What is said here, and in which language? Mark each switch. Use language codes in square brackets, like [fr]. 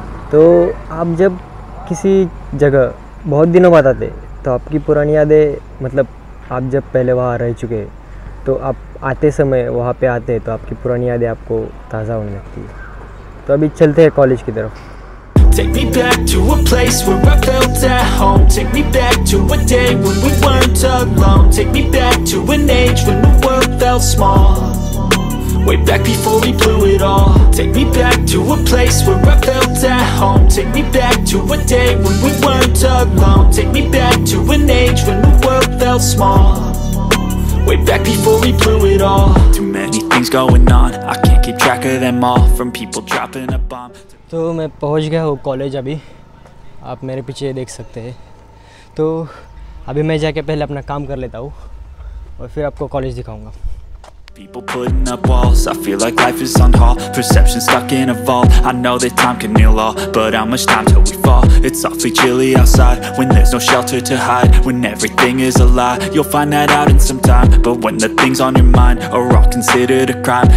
[hi] तो आप जब किसी जगह बहुत दिनों बाद आते, तो आपकी पुरानी यादें, मतलब आप जब पहले वहाँ रह चुके तो आप आते समय वहाँ पे आते तो आपकी पुरानी यादें आपको ताज़ा होने लगती है। तो अभी चलते हैं कॉलेज की तरफ। [en] Take me back to a place where I felt at home. Take me back to a day when we weren't alone. Take me back to an age when the world felt small. Way back before we blew it all. Take me back to a place where I felt at home. Take me back to a day when we weren't alone. Take me back to an age when the world felt small. Way back before we blew it all. Too many things going on. I can't keep track of them all. From people dropping a bomb. [hi] तो मैं पहुंच गया हूँ college. अभी आप मेरे पीछे देख सकते हैं। तो अभी मैं जाके पहले अपना काम कर लेता हूँ और फिर आपको कॉलेज दिखाऊंगा। [en] People putting up walls, I feel like life is on hold. Perception stuck in a vault, I know that time can heal all. But how much time till we fall? It's awfully chilly outside, when there's no shelter to hide. When everything is a lie, you'll find that out in some time. But when the things on your mind are all considered a crime.